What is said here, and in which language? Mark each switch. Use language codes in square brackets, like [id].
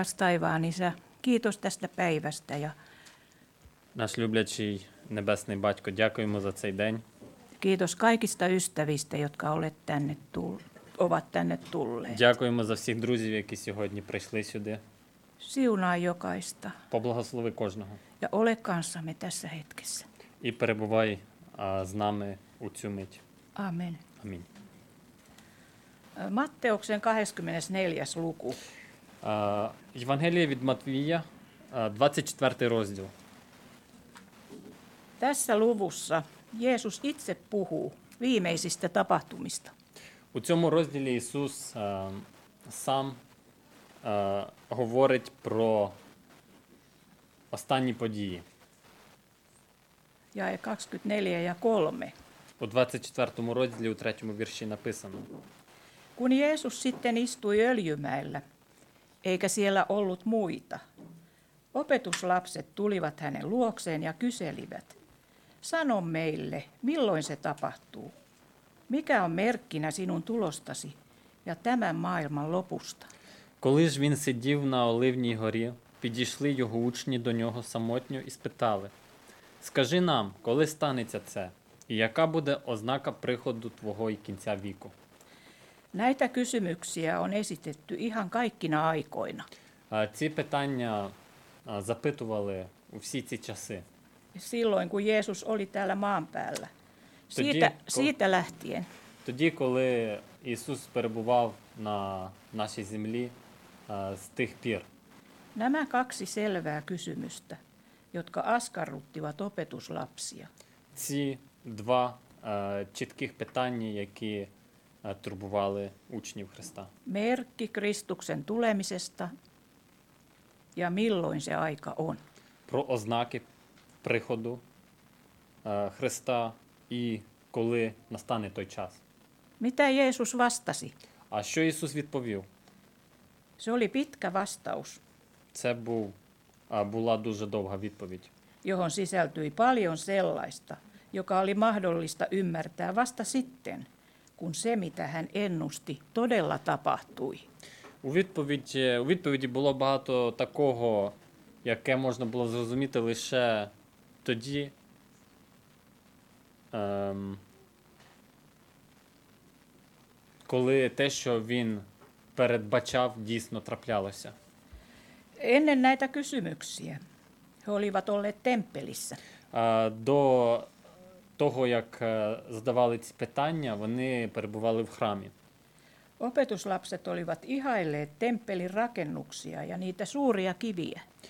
[fi] Rakas taivaan isä, kiitos tästä päivästä ja [uk] Наш люблячий небесний батько, дякуємо за цей день. [fi] Kiitos kaikista ystävistä, jotka olet tänne ovat tänne tulleet. [uk] Дякуємо за всіх друзів, які сьогодні прийшли сюди. [fi] Siunaa jokaista. [uk] Поблагослови кожного. [fi] Ja ole kanssamme tässä hetkessä. [uk] І перебувай з нами у цю мить. [fi] Amen. [uk] Amen. [fi] Matteuksen 24. luku. [uk] Евангелие від Матвія, 24. розділ. [fi] Tässä luvussa Jeesus itse puhuu viimeisistä tapahtumista. [uk] У цьому розділі Ісус сам говорить про останні події. [fi] Jae 24 ja 3. [uk] У 24 розділі у 3 вірші написано. [fi] Kun Jeesus sitten istui Öljymäellä, eikä siellä ollut muita, opetuslapset tulivat hänen luokseen ja kyselivät, sano meille, milloin se tapahtuu? Mikä on merkkinä sinun tulostasi ja tämän maailman lopusta? [uk] Коли ж він сидів на Оливній горі, підійшли його учні до нього самотньо і спитали, скажи нам, коли станеться це, і яка буде ознака приходу твого і кінця віку? [fi] Näitä kysymyksiä on esitetty ihan kaikkina aikoina. [uk] Ці питання запитували у всі ці часи. [fi] Silloin, kun Jeesus oli täällä maan päällä. Siitä lähtien. [uk] Тоді, коли Ісус перебував на нашій землі, з тих пір. [fi] Nämä kaksi selvää kysymystä, jotka askarruttivat opetuslapsia. [uk] Ці два чітких питання, які турбували учнів Христа. [fi] Merkki Kristuksen tulemisesta ja milloin se aika on. [uk] Про ознаки приходу Христа і коли настане той час. [fi] Mitä Jeesus vastasi? [uk] А що Ісус відповів? [fi] Se oli pitkä vastaus. [uk] Це була дуже довга відповідь. [fi] Johon sisältyi paljon sellaista, joka oli mahdollista ymmärtää vasta sitten, kun se, mitä hän ennusti, todella tapahtui. [uk] У відповіді було багато такого, яке можна було зрозуміти лише тоді, коли те, що він передбачав, дійсно траплялося. [fi] Ennen näitä kysymyksiä he olivat olleet temppelissä. [uk] До того, як задавали ці питання, вони перебували в храмі. [fi] Opetuslapset olivat ihailleet temppelin rakennuksia ja niitä suuria kiviä.